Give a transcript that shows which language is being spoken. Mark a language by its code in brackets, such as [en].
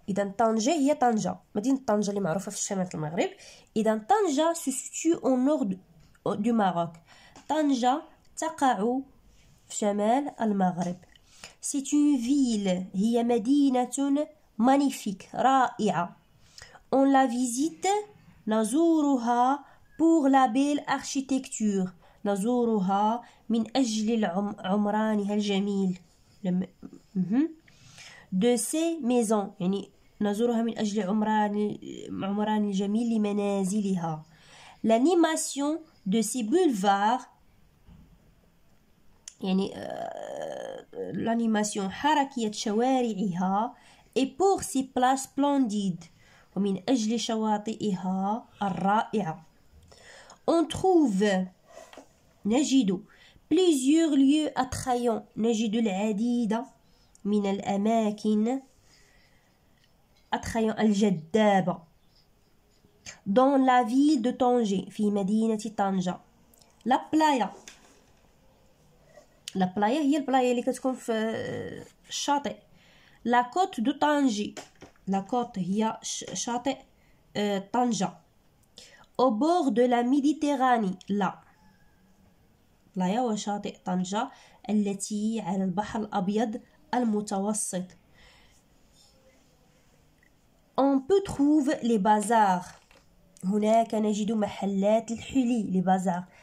[ar] إذن طنجة هي طنجة، مدينة طنجة اللي معروفة في شمال المغرب. [fr] إذن طنجة se situe au nord du Maroc. [ar] طنجة تقع في شمال المغرب. [fr] C'est une ville. [ar] هي مدينة [fr] magnifique. [ar] رائعة. [fr] On la visite. [ar] نزورها [fr] pour la belle architecture. [ar] نزورها من أجل عمرانها الجميل. [fr] De ses maisons. [ar] يعني نزورها من أجل عمران الجميل لمنازلها. [fr] L'animation de ses boulevards. [ar] يعني [fr] l'animation [ar] حركية شوارعها. [fr] Et pour ses places splendides. [ar] ومن أجل شواطئها الرائعة. [fr] On trouve [ar] نجد [fr] plusieurs lieux attrayants. [ar] نجد العديد من الأماكن [fr] attrayants [ar] الجذابة. [fr] Dans la ville de Tanger. [ar] في مدينة طنجة. [fr] La playa. La playa [ar] هي البلاية اللي كتكون في الشاطئ. [fr] La côte de Tanger. La côte, il y a château Tanja. Au bord de la Méditerranée, là. Là, il y a château Tanja, elle est à la bâche l'abiad, al-moutawassit. On peut trouver les bazars. [ar] هناك نجد محلات الحلي, [fr] les bazars.